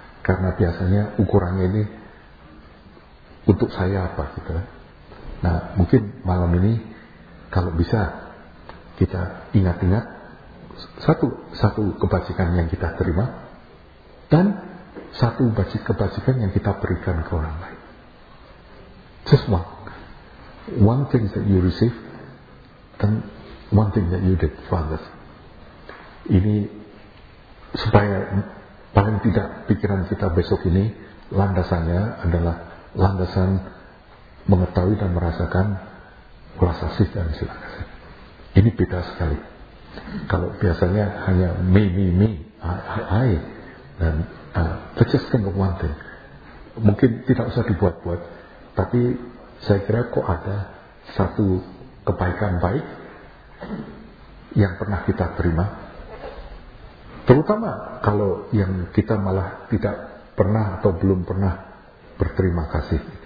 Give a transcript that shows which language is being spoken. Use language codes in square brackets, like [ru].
[id] Karena biasanya ukurannya ini untuk saya apa gitu. Nah mungkin malam ini kalau bisa kita ingat-ingat satu kebajikan yang kita terima dan satu kebajikan yang kita berikan ke orang lain. [en] Just one thing that you receive and one thing that you did for others. [id] Ini supaya paling tidak pikiran kita besok ini landasannya adalah landasan mengetahui dan merasakan kuasa sih dan sila kasih. Ini beda sekali. Kalau biasanya hanya [en] me, I, dan just think of one thing. [id] Mungkin tidak usah dibuat-buat, tapi saya kira kok ada satu kebaikan baik yang pernah kita terima. Terutama kalau yang kita malah tidak pernah atau belum pernah berterima kasih.